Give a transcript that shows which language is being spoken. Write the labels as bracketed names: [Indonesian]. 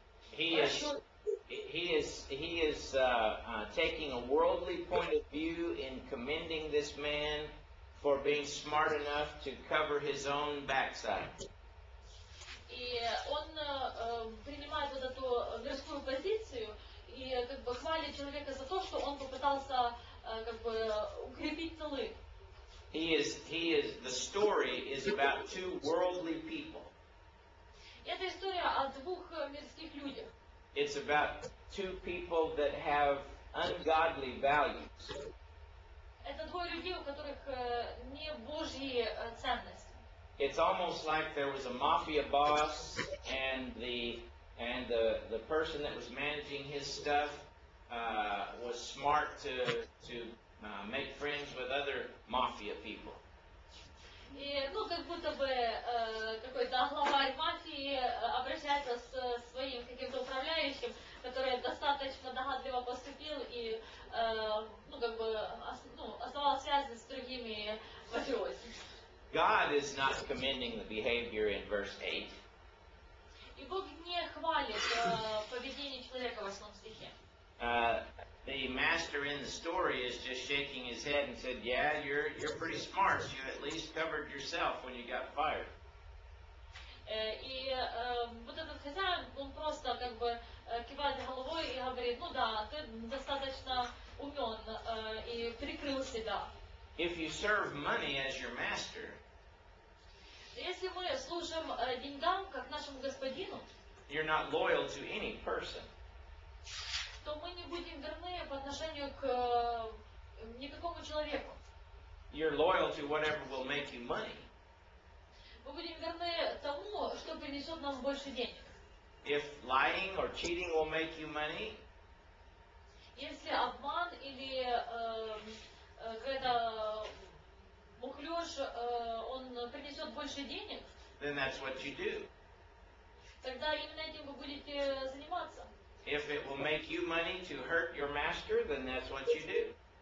[English] He is taking a worldly point of view in commending this man for being smart enough to cover his own backside. [Russian] И он принимает вот эту мирскую позицию и как бы хвалит человека за то, что он попытался как бы укрепить тылы. [English] He is the story is about two worldly people. [Russian] Это история о двух мирских людях. [English] It's about two people that have ungodly values. [Russian] Это двое людей, у которых не божьи ценности. [English] It's almost like there was a mafia boss and the person that was managing his stuff was smart to make friends with other mafia people. [Russian] И, ну, как будто бы какой-то главарь мафии обращается с своим каким-то управляющим, который достаточно догадливо поступил и, ну, как бы, ну, основал связи с другими мафиози. [English] God is not commending the behavior in verse 8. [Russian] И Бог не хвалит поведение человека в 8 стихе. [English] The master in the story is just shaking his head and said, "Yeah, you're pretty smart. You at least covered yourself when you got fired." [Russian] И вот этот хозяин, он просто как бы кивает головой и говорит, ну да, ты достаточно умен и прикрыл себя. [English] If you serve money as your master, [Russian] если мы служим деньгам как нашему господину, [English] you're not loyal to any person. [Russian] То мы не будем верны по отношению к никакому человеку. [English] You're loyal to whatever will make you money. [Russian] Мы будем верны тому, что принесет нам больше денег. [English] If lying or cheating will make you money, [Russian] если обман или какая-то мухлёж, он принесет больше денег, [English] then that's what you do. [Russian] Тогда именно этим вы будете заниматься. [English] If it will make you money to hurt your master, then that's what you do.